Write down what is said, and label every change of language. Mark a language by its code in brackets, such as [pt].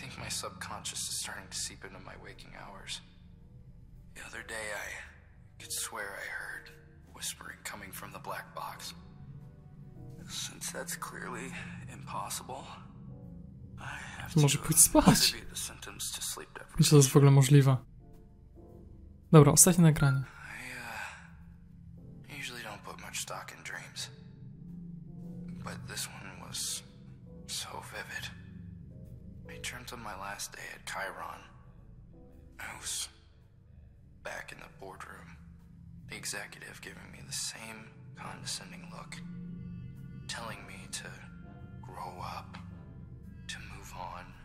[en] Subconscious is starting to seep into my waking hours. The other day I could swear I heard whispering coming from the black box. Since that's clearly impossible, I have to [pl] może pójść spać. [en] The symptoms to sleep deprivation. [pl] Czy to jest w ogóle możliwe? Dobra, ostatnie nagranie. [en] I usually don't put much stock in dreams. But this one was so vivid. I dreamt of my last day at Chiron. I was back in the boardroom. The executive giving me the same condescending look, telling me to grow up, to move on.